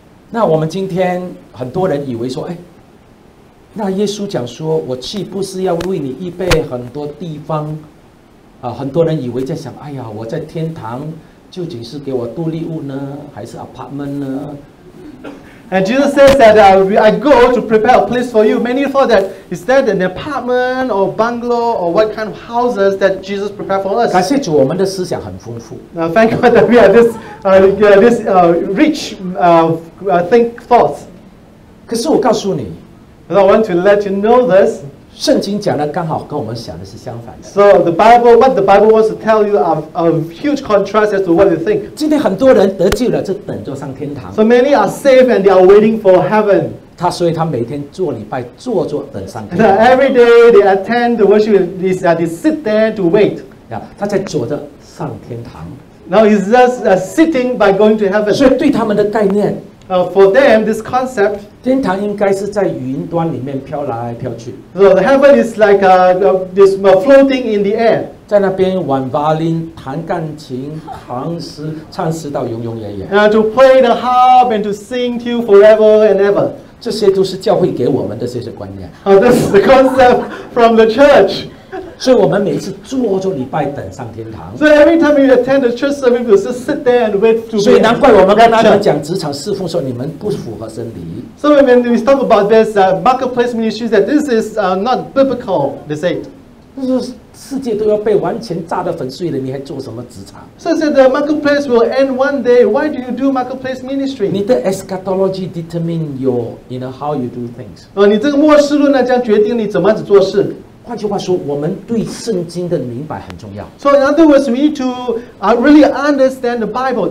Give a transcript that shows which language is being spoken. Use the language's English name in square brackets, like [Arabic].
[Chinese] 那我们今天很多人以为说，哎，那耶稣讲说，我岂不是要为你预备很多地方？很多人以为在想，哎呀，我在天堂究竟是给我独立屋呢，还是 apartment 呢？ [English] And Jesus says that I go to prepare a place for you. Many thought that is that an apartment or bungalow or what kind of houses that Jesus prepared for us. [Chinese] 感谢主，我们的思想很丰富。 [English] Thank God that we have this rich think thoughts. [Chinese] 可是我告诉你， [English] but I want to let you know this. [Chinese] 圣经讲的刚好跟我们想的是相反的。 [English] So the Bible, what the Bible wants to tell you are a huge contrast as to what you think. [Chinese] 今天很多人得救了，就等着上天堂。 [English] So many are saved and they are waiting for heaven. [Chinese] 所以他每天做礼拜，坐坐等上天堂。 [English] Every day they attend the worship, they sit there to wait. [Chinese] 他在坐着上天堂。 [English] Now he's just sitting by going to heaven. [Chinese] 所以对他们的概念。 [English] For them, this concept, [Chinese] 天堂应该是在云端里面飘来飘去。 [English] So the heaven is like this floating in the air. [Chinese] 在那边玩 violin, 弹钢琴、唱诗到永永远远。 [English] To play the harp and to sing till forever and ever. [Chinese] 这些都是教会给我们的这些观念。 [English] This is the concept from the church. [Chinese] 所以我们每一次坐坐礼拜等上天堂。 [English] So every time you attend the church service, you just sit there and wait to. [Chinese] 所以难怪我们跟他们讲职场侍奉说你们不符合真理。 [English] So when we talk about this marketplace ministry, that this is not biblical, they say. [Chinese] 就是世界都要被完全炸得粉碎了，你还做什么职场？ [English] So say the marketplace will end one day. Why do you do marketplace ministry? [Chinese] 你的 [English] eschatology determine your, you know, how you do things. [Chinese] 你这个末世论呢，将决定你怎么样子做事。换句话说，我们对圣经的明白很重要。So [English] in other words, we need to really understand the Bible.